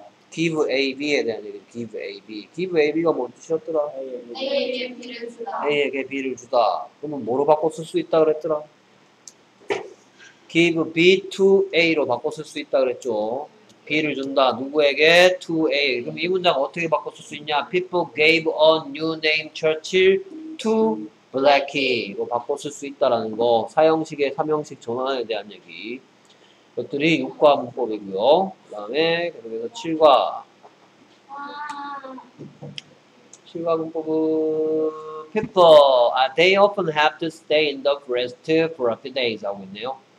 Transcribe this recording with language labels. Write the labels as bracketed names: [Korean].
[Korean] Give A B에 대한 얘기를 Give A B. Give A B가 뭔 뜻이었더라? A에게 B를 주다. A에게 B를 주다. 그러면 뭐로 바꿔 쓸 수 있다 그랬더라? [English] Give B to A [Korean] 로 바꿔 쓸 수 있다 그랬죠. B를 준다. 누구에게? [English] To A. [Korean] 그럼 이 문장 어떻게 바꿔 쓸 수 있냐? [English] People gave a new name Churchill to Blackie. [Korean] 이거 바꿔 쓸 수 있다라는 거. 사형식의 삼형식 전환에 대한 얘기. 이것들이 6과 문법이고요. 그 다음에 계속해서 7과. 7과 문법은 [English] People, they often have to stay in the forest for a few days [Korean] 하고 있네요.